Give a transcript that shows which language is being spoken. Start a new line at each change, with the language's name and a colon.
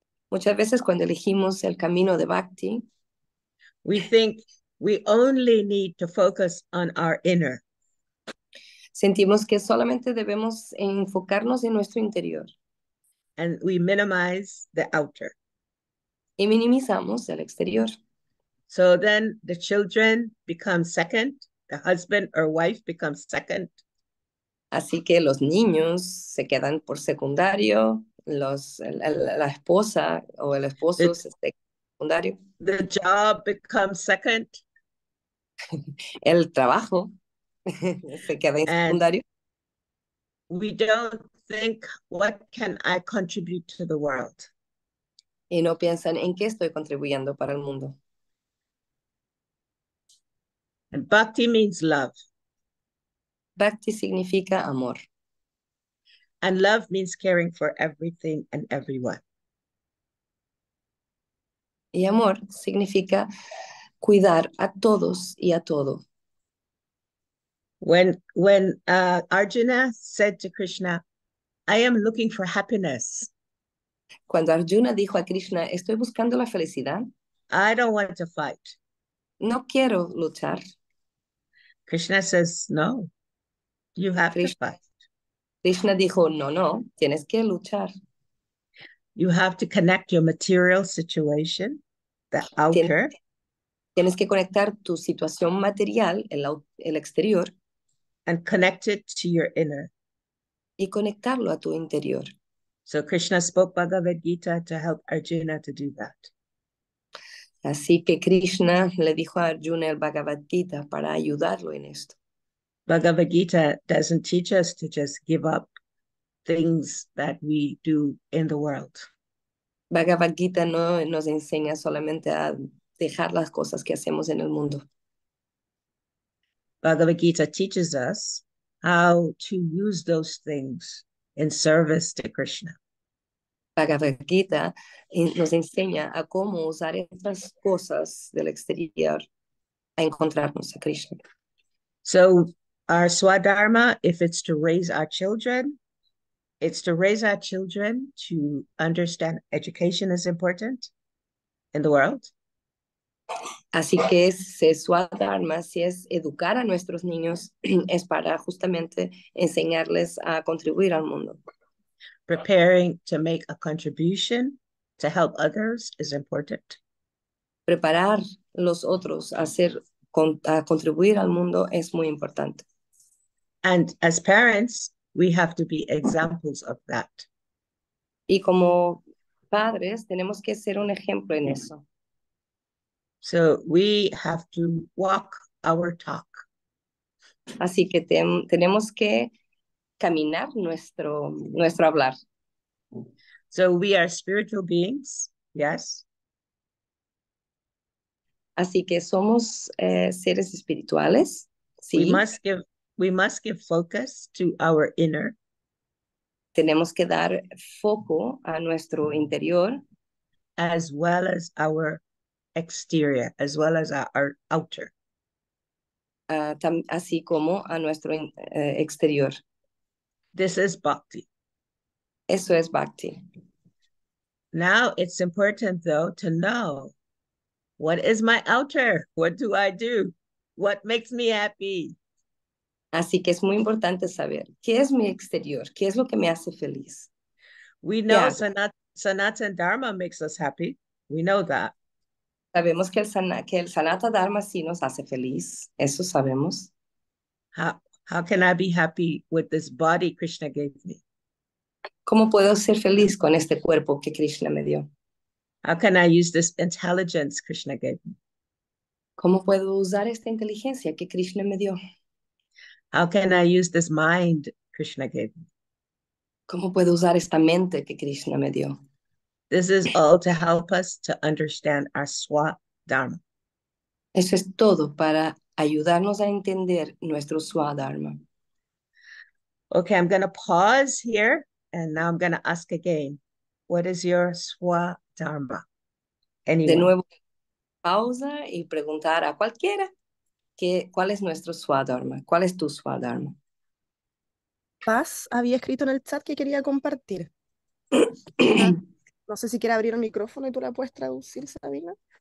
Spanish: muchas veces cuando elegimos el camino de bhakti,
English: we think we only need to focus on our inner.
Spanish: Sentimos que solamente debemos enfocarnos en nuestro interior.
English: And we minimize the outer.
Spanish: Y minimizamos el exterior.
English: So then the children become second, the husband or wife becomes second.
Spanish: Así que los niños se quedan por secundario, la esposa o el esposo se queda secundario.
English: The job becomes second.
Spanish: El trabajo. Se queda en secundario.
English: We don't think, what can I contribute to the world?
Spanish: Y no piensan en qué estoy contribuyendo para el mundo.
English: And bhakti means love.
Spanish: Bhakti significa amor.
English: And love means caring for everything and everyone.
Spanish: Y amor significa cuidar a todos y a todo.
English: When Arjuna said to Krishna, I am looking for happiness.
Spanish: Cuando Arjuna dijo a Krishna, estoy buscando la felicidad.
English: I don't want to fight.
Spanish: No quiero luchar.
English: Krishna says, no, you have to fight.
Spanish: Krishna dijo, no, tienes que luchar.
English: You have to connect your material situation, the outer.
Spanish: Tienes que conectar tu situación material, el exterior.
English: And connect it to your inner.
Spanish: Y conectarlo a tu interior.
English: So Krishna spoke Bhagavad Gita to help Arjuna to do that.
Spanish: Así que Krishna le dijo a Arjuna el Bhagavad Gita para ayudarlo en esto.
English: Bhagavad Gita doesn't teach us to just give up things that we do in the world.
Spanish: Bhagavad Gita no nos enseña solamente a dejar las cosas que hacemos en el mundo.
English: Bhagavad Gita teaches us how to use those things in service to Krishna.
Spanish: Bhagavad Gita nos enseña a cómo usar estas cosas del exterior a encontrarnos a Krishna.
English: So our Swadharma, if it's to raise our children, it's to raise our children to understand education is important in the world.
Spanish: Así que ese Swadharma, si es educar a nuestros niños, es para justamente enseñarles a contribuir al mundo.
English: Preparing to make a contribution to help others is important.
Spanish: Preparar los otros a contribuir al mundo es muy importante.
English: And as parents, we have to be examples of that.
Spanish: Y como padres, tenemos que ser un ejemplo en eso.
English: So we have to walk our talk.
Spanish: Así que tenemos que caminar nuestro hablar.
English: So we are spiritual beings, yes.
Spanish: Así que somos seres espirituales, sí.
English: We must give focus to our inner.
Spanish: Tenemos que dar foco a nuestro interior.
English: As well as our exterior, as well as our outer.
Spanish: Así como a nuestro exterior.
English: This is bhakti.
Spanish: Eso es bhakti.
English: Now it's important though to know, what is my outer? What do I do? What makes me happy?
Spanish: Así que es muy importante saber, ¿qué es mi exterior? ¿Qué es lo que me hace feliz?
English: We know Sanatan Dharma makes us happy. We know that.
Spanish: Sabemos que el Sanata Dharma sí nos hace feliz. Eso sabemos.
English: How can I be happy with this body Krishna gave me?
Spanish: ¿Cómo puedo ser feliz con este cuerpo que Krishna me dio?
English: How can I use this intelligence Krishna gave me?
Spanish: ¿Cómo puedo usar esta inteligencia que Krishna me dio?
English: How can I use this mind Krishna gave me?
Spanish: ¿Cómo puedo usar esta mente que Krishna me dio?
English: This is all to help us to understand our swa dharma.
Spanish: Eso es todo para ayudarnos a entender nuestro swa dharma.
English: Okay, I'm going to pause here and now I'm going to ask again. What is your swa dharma? Anyone?
Spanish: De nuevo, pausa y preguntar a cualquiera que, ¿cuál es nuestro swa dharma? ¿Cuál es tu swa dharma? Paz había escrito en el chat que quería compartir. No sé si quiere abrir el micrófono y tú la puedes traducir, Sabina.